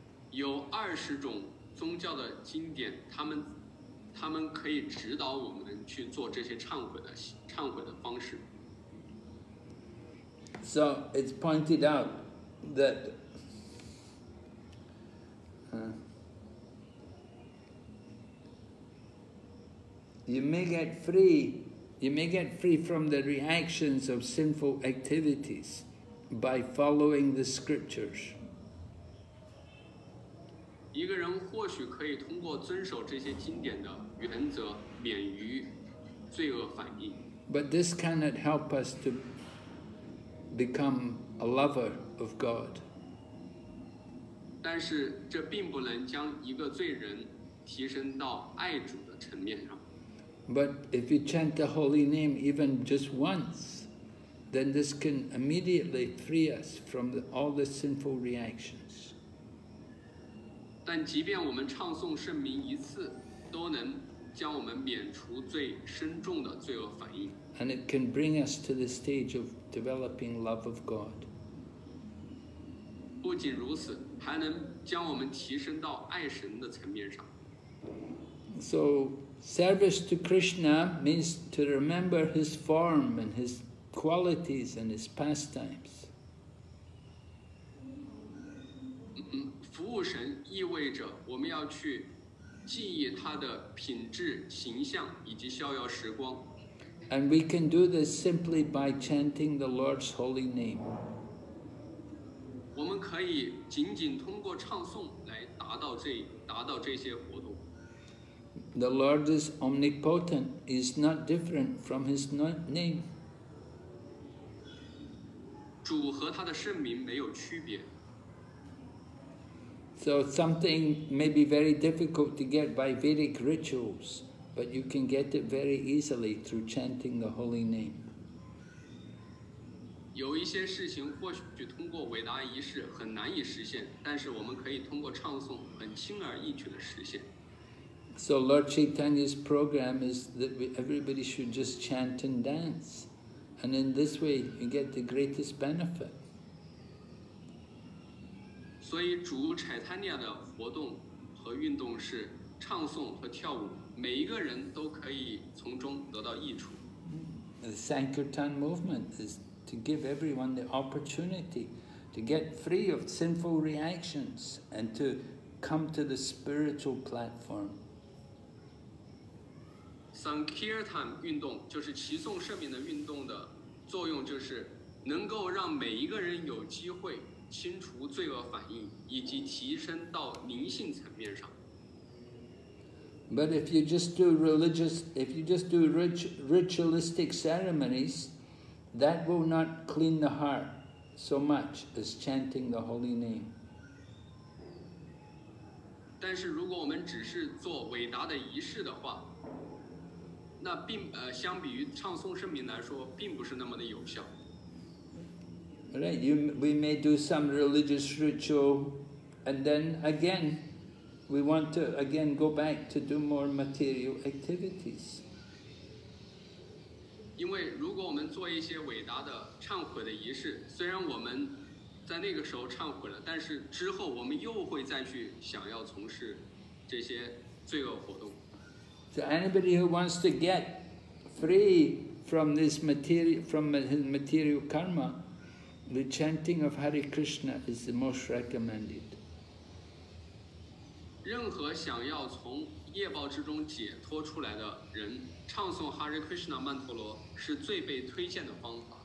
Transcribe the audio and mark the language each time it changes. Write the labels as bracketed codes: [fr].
[zh] 有20种宗教的经典，他们可以指导我们去做这些忏悔的方式。 [en] So it's pointed out that you may get free from the reactions of sinful activities by following the scriptures. [zh] 一个人或许可以通过遵守这些经典的原则免于罪恶反应。 [en] But this cannot help us to become a lover of God. [zh] 但是这并不能将一个罪人提升到爱主的层面上。 [en] But if you chant the holy name even just once, then this can immediately free us from all the sinful reactions. [zh] 但即便我们唱诵圣名一次，都能将我们免除最深重的罪恶反应。 [en] And it can bring us to the stage of developing love of God. [zh] 不仅如此，还能将我们提升到爱神的层面上。 [en] So, service to Krishna means to remember His form and His qualities and His pastimes. [zh] 服务神意味着我们要去记忆他的品质、形象以及逍遥时光。 [en] And we can do this simply by chanting the Lord's holy name. [zh] 我们可以仅仅通过唱诵来达到这些活动。 [en] The Lord is omnipotent, is not different from His name. [zh] 主和他的圣名没有区别。 [en] So something may be very difficult to get by Vedic rituals, but you can get it very easily through chanting the holy name. [zh] 有一些事情或许通过伟大仪式很难以实现，但是我们可以通过唱诵很轻而易举地实现。 [en] So Lord Chaitanya's program is that everybody should just chant and dance. And in this way, you get the greatest benefit. [zh] 所以主 Chaitanya 的活动和运动是唱诵和跳舞，每一个人都可以从中得到益处。 [en] The Sankirtan movement is to give everyone the opportunity to get free of sinful reactions and to come to the spiritual platform. [zh] Sankirtan 运动就是齐颂圣名的运动的作用，就是能够让每一个人有机会清除罪恶反应以及提升到灵性层面上。 [en] But if you just do religious, if you just do ritualistic ceremonies, that will not clean the heart so much as chanting the holy name. [zh] 但是如果我们只是做伟大的仪式的话，那并相比于唱诵圣名来说，并不是那么的有效。 [en] Right, we may do some religious ritual, and then again. We want to again go back to do more material activities. [zh] 因为如果我们做一些伟大的忏悔的仪式，虽然我们在那个时候忏悔了，但是之后我们又会再去想要从事这些罪恶活动。 [en] So anybody who wants to get free from this material, from his material karma, the chanting of Hare Krishna is the most recommended. [zh] 任何想要从业报之中解脱出来的人，唱诵 Hare Krishna 曼陀罗是最被推荐的方法。